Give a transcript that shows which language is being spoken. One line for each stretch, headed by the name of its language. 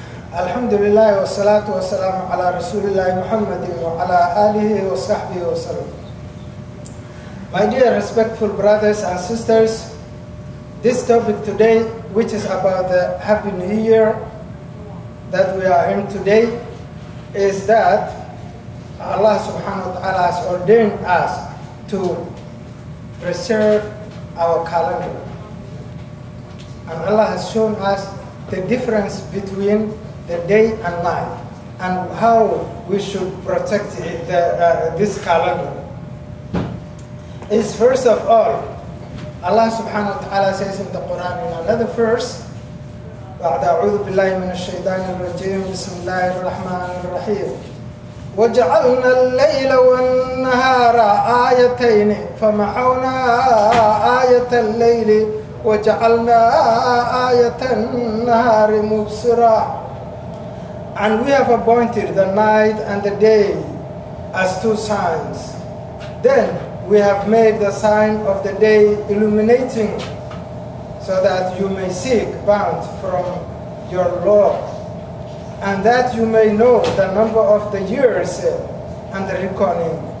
Arabic: الحمد لله والصلاة والسلام على رسول الله محمد وعلى آله وصحبه وسلم.
English: My dear respectful brothers and sisters, this topic today, which is about the Happy New Year that we are in today, is that Allah subhanahu wa ta'ala has ordained us to preserve our calendar. And Allah has shown us the difference between the day and night, and how we should protect this calendar. Is first of all, Allah subhanahu wa ta'ala says in the Qur'an in another verse,
Arabic: وَعْدَ أَعُوذُ بِاللَّهِ مِنَ الشَّيْطَانِ الرَّجِيمِ بِسْمِ اللَّهِ الرَّحْمَنِ الرَّحِيمِ وَجَعَلْنَا اللَّيْلَ وَالنَّهَارَ آيَتَيْنِ فَمَحَوْنَا آيَةَ اللَّيْلِ وَجَعَلْنَا آيَةَ النَّهَارِ مُبْصِرًا.
English: And we have appointed the night and the day as two signs. Then we have made the sign of the day illuminating, so that you may seek bounty from your Lord, and that you may know the number of the years and the reckoning.